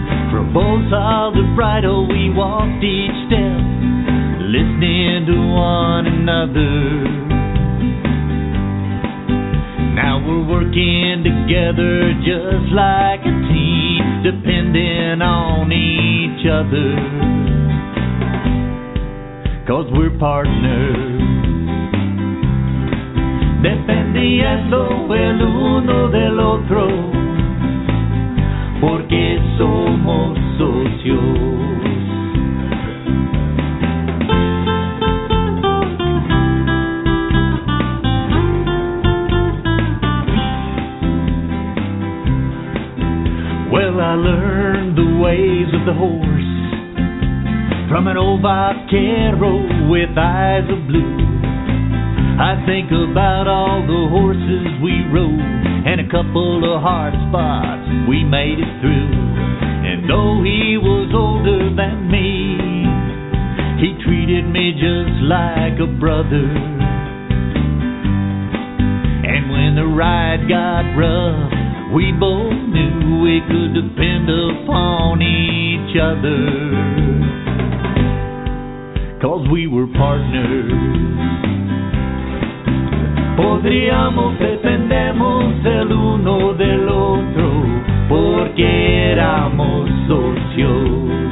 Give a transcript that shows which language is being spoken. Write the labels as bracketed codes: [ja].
[en] From both sides of bridle, we walked each step, listening to one another. Now we're working together just like a team, depending on each other, 'cause we're partners. [es] Dependiendo el uno del otro, porque somos socios. [en] Well, I learned the ways of the horse from an old vaquero with eyes of blue. I think about all the horses we rode and a couple of hard spots we made it through. And though he was older than me, he treated me just like a brother. And when the ride got rough, we both knew we could depend upon each other, 'cause we were partners. [es] Podríamos, dependemos el uno del otro, porque éramos socios.